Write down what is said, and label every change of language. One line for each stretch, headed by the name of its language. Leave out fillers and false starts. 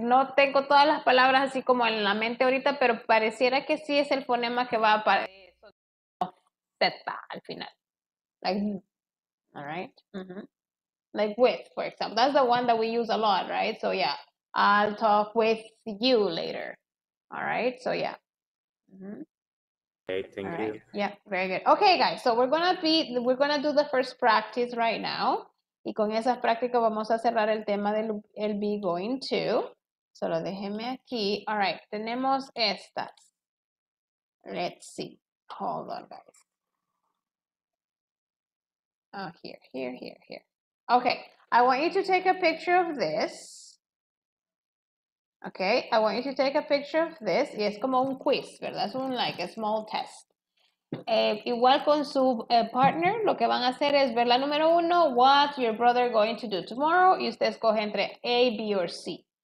Spanish: No tengo todas las palabras así como en la mente ahorita, pero pareciera que sí es el fonema que va para Z al final.
English: Like, all right. Like with, for example. That's the one that we use a lot, right? So yeah, I'll talk with you later. All right, so yeah. Okay, thank all you. Right. Yeah, very good. Okay, guys, so we're gonna do the first practice right now.
Spanish: Y con esa práctica vamos a cerrar el tema del el be going to. Solo déjeme aquí.
English: All right,
Spanish: tenemos estas.
English: Let's see. Hold on, guys. Oh, here. Okay, I want you to take a picture of this. Okay, I want you to take a picture of this.
Spanish: Y es como un quiz, ¿verdad? Es un
English: like a small test.
Spanish: Igual con su partner, lo que van a hacer es ver la número uno,
English: what's your brother going to do tomorrow?
Spanish: Y usted escoge entre A, B or C.